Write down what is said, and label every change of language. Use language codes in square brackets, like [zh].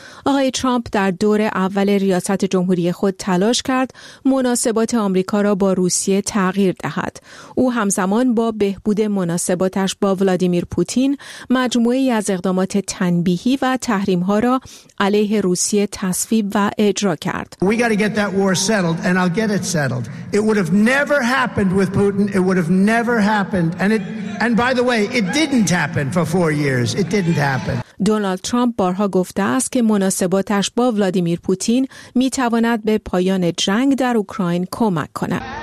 [fa] آقای ترامپ در دور اول ریاست جمهوری خود تلاش کرد مناسبات آمریکا را با روسیه تغییر دهد. او همزمان با بهبود مناسباتش با ولادیمیر پوتین، مجموعی از اقدامات تنبیهی و تحریم‌ها را علیه روسیه تصویب و اجرا کرد. [en] We got to get that war settled and I'll get it settled. It would have never happened with Putin. It would have never happened. And by the way, it didn't happen for 4 years. It didn't happen. [fa] دونالد ترامپ بارها گفته است که مناسباتش با ولادیمیر پوتین میتواند به پایان جنگ در اوکراین کمک کند.